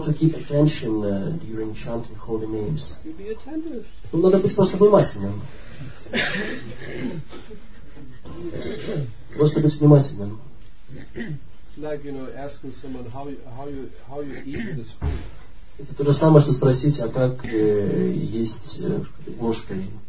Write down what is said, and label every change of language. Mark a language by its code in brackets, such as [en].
[en] How to keep attention during chanting holy names? You be attentive. [ru] Ну, надо быть просто внимательным. Просто быть внимательным. [en] Like, you know, asking someone how you eat with a spoon. [ru] Это то же самое, что спросить, а как есть ложкой.